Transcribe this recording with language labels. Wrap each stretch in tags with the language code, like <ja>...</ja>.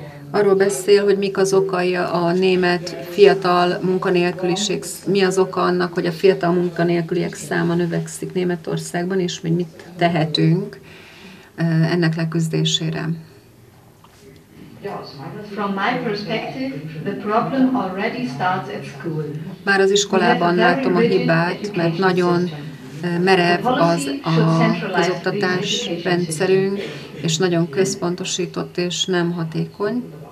<hu>Arról beszél, hogy mik az okai a német fiatal munkanélküliség, mi az oka annak, hogy a fiatal munkanélküliek száma növekszik Németországban, és hogy mit tehetünk ennek leküzdésére.</hu> <en>From my perspective, the problem already starts at school.</en> <hu>Már az iskolában látom a hibát, mert nagyon merev az a közoktatás rendszerünk, és nagyon központosított és nem hatékony.</hu>